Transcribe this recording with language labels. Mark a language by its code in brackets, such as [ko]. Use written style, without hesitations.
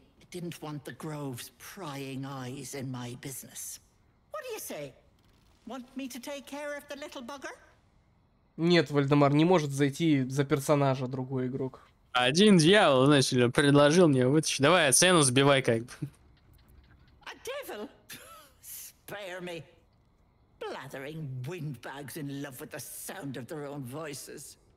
[en] Didn't want the Grove's prying eyes in my business. What do you say? Want me to take care of the little bugger? [ru] Нет, Вальдемар не может зайти за персонажа другой игрок. Один дьявол, значит, предложил мне вытащить. Давай, цену сбивай как бы. [en] A devil? Spare me. Blathering windbags in love with the sound of their own voices.